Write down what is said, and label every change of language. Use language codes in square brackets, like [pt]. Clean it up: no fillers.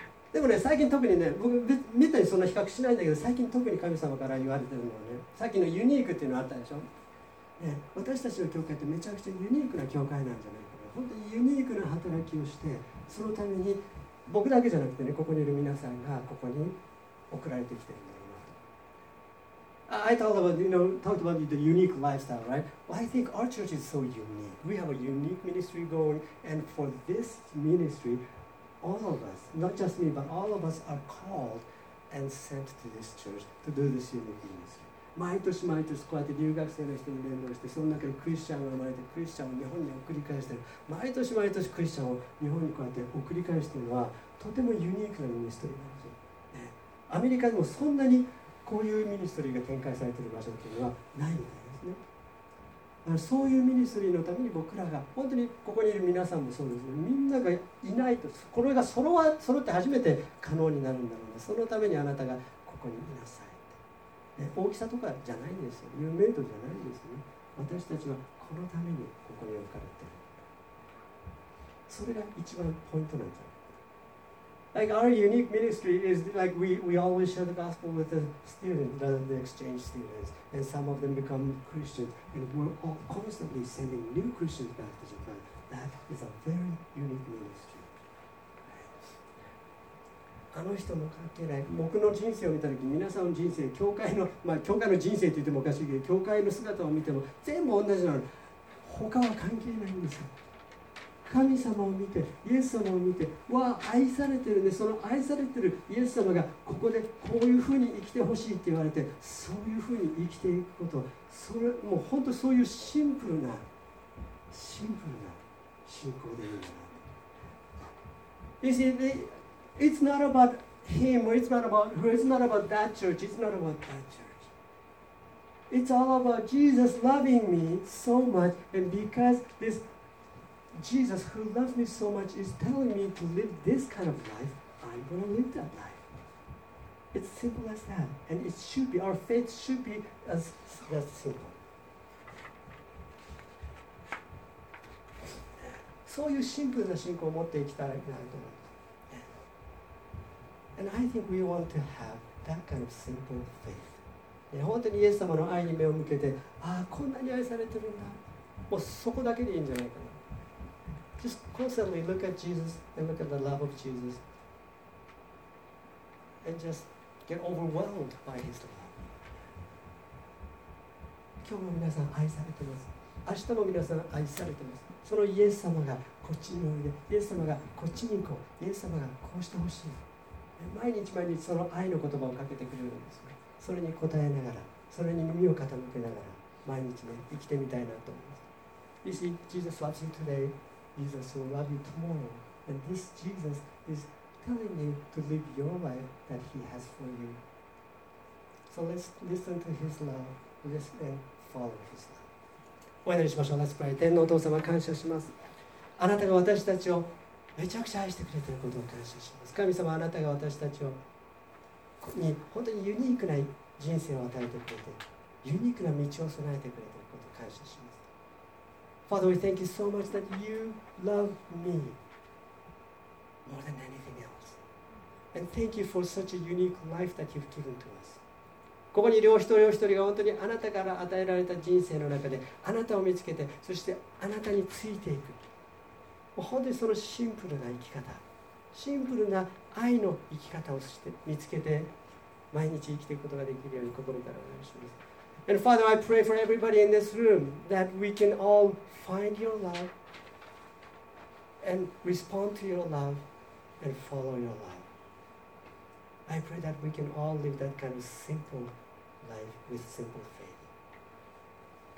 [ja] でもね、最近特にね、僕めったにそんな比較しないんだけど、最近特に神様から言われてるのはね、さっきのユニークっていうのあったでしょ、ね、私たちの教会ってめちゃくちゃユニークな教会なんじゃないかな。本当にユニークな働きをして、そのために僕だけじゃなくてね、ここにいる皆さんがここに送られてきてるんだろうなと。 [en] I talked about the unique lifestyle, right? Well, I think our church is so unique. We have a unique ministry going, and for this ministry,All of us, not just me, but all of us are called and sent to this church to do this unique ministry. [ja] 毎年毎年こうやって留学生の人に連絡して、その中にクリスチャンが生まれて、クリスチャンを日本に送り返してる。毎年毎年クリスチャンを日本にこうやって送り返してるのは、とてもユニークなミニストリーなんですよ、ね。アメリカでもそんなにこういうミニストリーが展開されている場所というのはないみたいですね。そういうミニストリーのために僕らが本当にここにいる皆さんもそうですね。みんながいないとこれが揃って初めて可能になるんだろうな。そのためにあなたがここにいなさいって、ね、大きさとかじゃないんですよ。有名度じゃないんですよ、ね、私たちはこのためにここに置かれてる。それが一番ポイントなんじゃない。 [en] Like our unique ministry is like we always share the gospel with the students rather than the exchange studentsAnd some of them become Christians, and we're all constantly sending new Christians back to Japan. That is a very unique ministry. [ja] あの人も関係ない。僕の人生を見たとき、皆さんの人生、教会の、まあ、教会の人生と言ってもおかしいけど、教会の姿を見ても全部同じなの。他は関係ないんですよ。神様を見て、イエス様を見て、わあ、愛されてるね、その愛されてるイエス様がここでこういうふうに生きてほしいって言われて、そういうふうに生きていくこと、それもう本当そういうシンプルな信仰でいいんだな。 [en] You see, it's not about him, it's not about her, it's not about that church, it's not about that church. It's all about Jesus loving me so much, and because thisJesus, who loves me so much, is telling me to live this kind of life. I'm going to live that life. It's simple as that. And it should be, our faith should be as that simple. [ja] そういうシンプルな信仰を持っていきたいなと思います。 [en] And I think we want to have that kind of simple faith. [ja] 本当にイエス様の愛に目を向けて、ああこんなに愛されてるんだ、もうそこだけでいいんじゃないかな。 [en] Just constantly look at Jesus and look at the love of Jesus and just get overwhelmed by His love。 [ja] 今日も皆さん愛されてます。明日も皆さん愛されてます。そのイエス様がこっちにおいで、イエス様がこっちに行こう、イエス様がこうしてほしい。毎日毎日その愛の言葉をかけてくれるんですよ。それに応えながら、それに耳を傾けながら、毎日ね、生きてみたいなと思います。 [en] You see, Jesus loves you today. Jesus will love you tomorrow. And this Jesus is telling you to live your life that He has for you. So let's listen to His love. Let's follow His love. [ja] お祈りしましょう。 [en] Let's pray. [ja] 天のお父様、感謝します。あなたが私たちをめちゃくちゃ愛してくれていることを感謝します。神様、あなたが私たちをに本当にユニークな人生を与えてくれて、ユニークな道を備えてくれていることを感謝します。 [en] Father, we thank you so much that you love me more than anything else. And thank you for such a unique life that you've given to us. [ja] ここに両人両一人が本当にあなたから与えられた人生の中で、あなたを見つけて、そしてあなたについていく。本当にそのシンプルな生き方。シンプルな愛の生き方をして見つけて毎日生きていくことができるように心からお願いします。 [en] And Father, I pray for everybody in this room that we can all find your love and respond to your love and follow your love. I pray that we can all live that kind of simple life with simple faith.